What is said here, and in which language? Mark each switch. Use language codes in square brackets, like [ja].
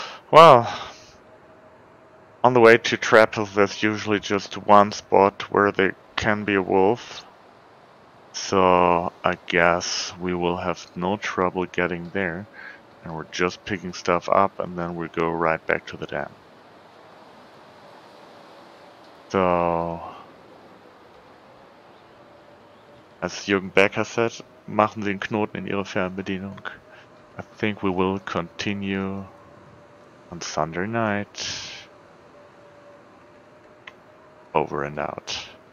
[en] Well, on the way to traps, there's usually just one spot where there can be a wolf. So I guess we will have no trouble getting there. And we're just picking stuff up, and then we go right back to the dam. So, as Jürgen Becker said, [de] machen Sie einen Knoten in Ihre Fernbedienung. [en] I think we will continue on Sunday night. Over and out.